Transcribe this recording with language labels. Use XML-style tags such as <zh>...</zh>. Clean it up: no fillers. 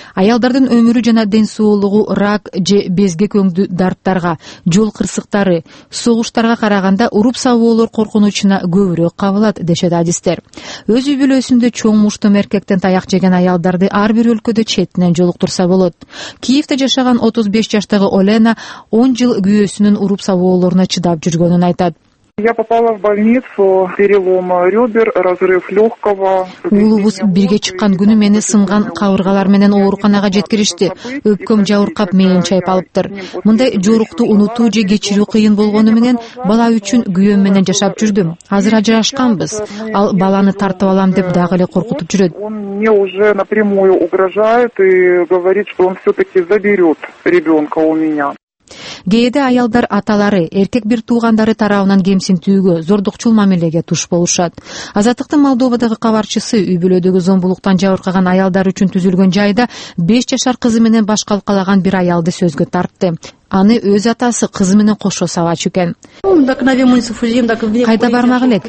<ky>Аялдардын өмүрү жана ден соолугу рак же безгек өңдүү дарттарга, жол кырсыктары, согуштарга караганда уруп сабоолор коркунучуна көбүрөөк кабылат дешет адистер. Өз үй-бүлөсүндө чоң муштум эркектен таяк жеген аялдарды ар бир өлкөдө четинен жолуктурса болот. Киевде жашаган 35 жаштагы Олена 10 жыл күйөөсүнүн уруп сабоолоруна чыдап жүргөнүн айтат.</ky> <ru>Я попала в больницу, перелом ребер, разрыв легкого.</ru> <ky>Улубуз бирге чыккан күнү мени сынган кабыргалар менен ооруканага жеткиришти. Өпкөм жабыркап, мээм чайып алыптыр. Мындай жорукту унутуу же кечирүү кыйын болгону менен бала үчүн күйөөм менен жашап жүрдүм. Азыр ажырашканбыз. Ал баланы тартып алам деп дагы эле коркутуп жүрөт.</ky> <ru>Он мне уже напрямую угрожает и говорит, что он все-таки заберет ребенка у меня.</ru> <ky>Кээде аялдар аталары, эркек бир туугандары тарабынан кемсинтүүгө, зордукчул мамилеге туш болушат. Азаттыктын Молдовадагы кабарчысы үй-бүлөдөгү зомбулуктан жабыркаган аялдар үчүн түзүлгөн жайда 5 жашар кызы менен баш калкалаган бир аялды сөзгө тартты. Аны өз атасы кызы менен кошо сабачу экен. Кайда бармак элек?</ky>